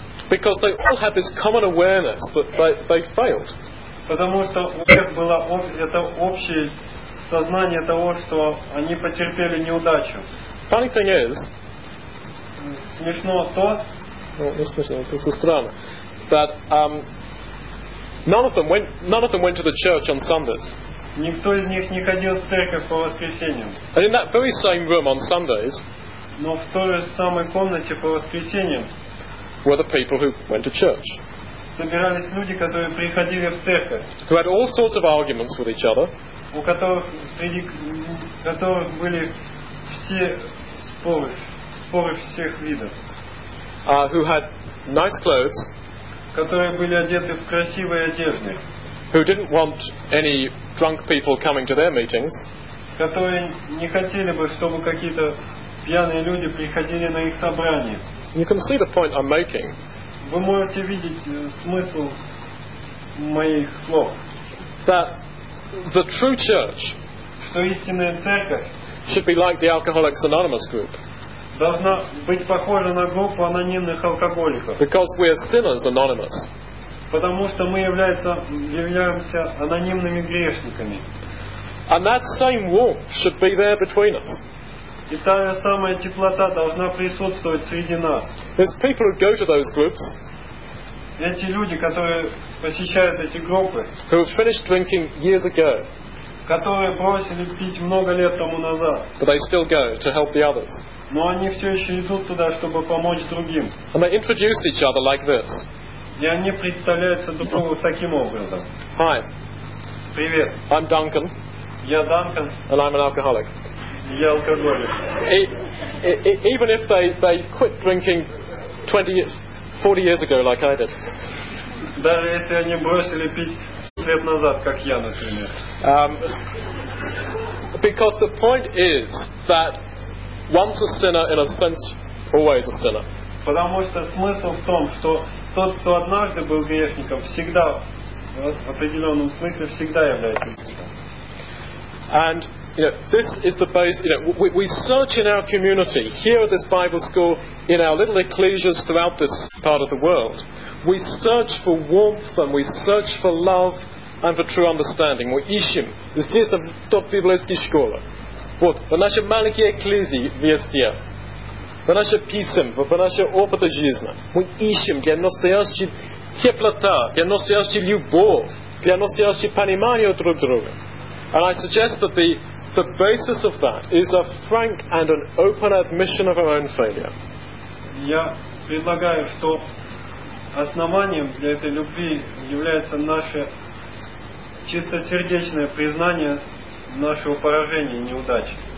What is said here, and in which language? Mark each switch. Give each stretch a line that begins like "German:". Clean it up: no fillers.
English: Because they all had this common awareness that they failed.
Russian: Потому что у них было это общее сознание того, что они потерпели неудачу.
English: Funny thing is,
Russian: смешно то,
English: that none of them went to the church on Sundays.
Russian: Никто из них не ходил в церковь по воскресеньям.
English: And in that very same room on Sundays,
Russian: но в той же самой комнате по воскресеньям,
English: were the people who went to church.
Russian: Собирались люди, которые приходили в церковь.
English: Who had all sorts of arguments with each other.
Russian: У которых среди которых были все споры всех видов.
English: Who had nice clothes,
Russian: которые были одеты в красивые одежды,
English: who didn't want any drunk people coming to their meetings,
Russian: которые не хотели бы, чтобы какие-то пьяные люди приходили на их собрание.
English: You can see the point I'm making.
Russian: Вы можете видеть смысл моих слов.
English: That the true church,
Russian: что истинная церковь,
English: should be like the Alcoholics Anonymous group.
Russian: Должна быть похожа на группу анонимных алкоголиков.
English: Because we are sinners anonymous.
Russian: Потому что мы являемся анонимными грешниками.
English: And that same warmth should be there between us.
Russian: И та же самая теплота должна присутствовать среди нас.
English: There's people who go to those groups.
Russian: Эти люди, которые посещают эти группы,
English: who have finished drinking years ago,
Russian: которые бросили пить много лет тому назад,
English: but they still go to help the others.
Russian: Но они все еще идут туда, чтобы помочь другим.
English: And they introduce each other like this.
Russian: И они представляются друг другу таким образом.
English: Hi.
Russian: Привет.
English: I'm Duncan.
Russian: Я Duncan.
English: And I'm an alcoholic.
Russian: Я алкоголик.
English: Even if they quit drinking 40 years ago, like I did.
Russian: Даже если они бросили пить лет назад, как я, например.
English: Because the point is that once a sinner, in a sense, always a sinner.
Russian: Потому что смысл в том, что тот, кто однажды был грешником, всегда, в определенном смысле, всегда является грешником.
English: And you know, this is the base. You know, we search in our community here at this Bible school, in our little ecclesias throughout this part of the world. We search for warmth and we search for love and for true understanding. We
Russian: ищем. Здесь там тот библейский школа. Вот. В нашей маленькой экклезии везде. В наше писем, в наше опыта жизни. Мы ищем для настоящей теплота, для настоящей любовь, для настоящей понимания друг друга.
English: And I suggest that the basis of that is a frank and an open admission of our own failure.
Russian: Я предлагаю, что основанием для этой любви является наше чистосердечное признание нашего поражения и неудачи.